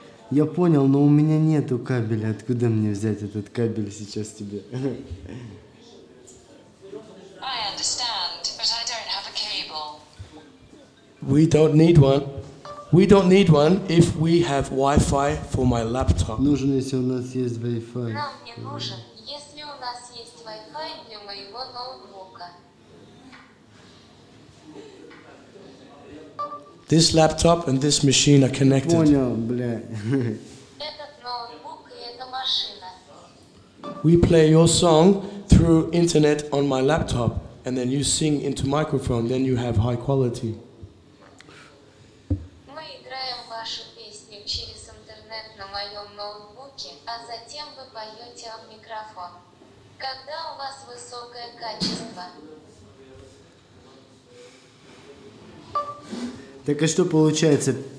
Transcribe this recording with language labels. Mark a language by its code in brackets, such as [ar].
[ru] Я понял, но у меня нету кабеля. Откуда мне взять этот кабель сейчас тебе? [en] I understand, but I don't have a cable. We don't need one. We don't need one if we have Wi-Fi for my laptop. [ru] Нужен, если у нас есть Wi-Fi. Нам не нужен, если у нас есть Wi-Fi для моего ноутбука. [en] This laptop and this machine are connected. [ru] Понял, бля. Этот ноутбук и эта машина. [en] We play your song through internet on my laptop, and then you sing into microphone, then you have high quality. [ru] Мы играем вашу песню через интернет на моем ноутбуке, а затем вы поете в микрофон. Когда у вас высокое качество? Так а что получается?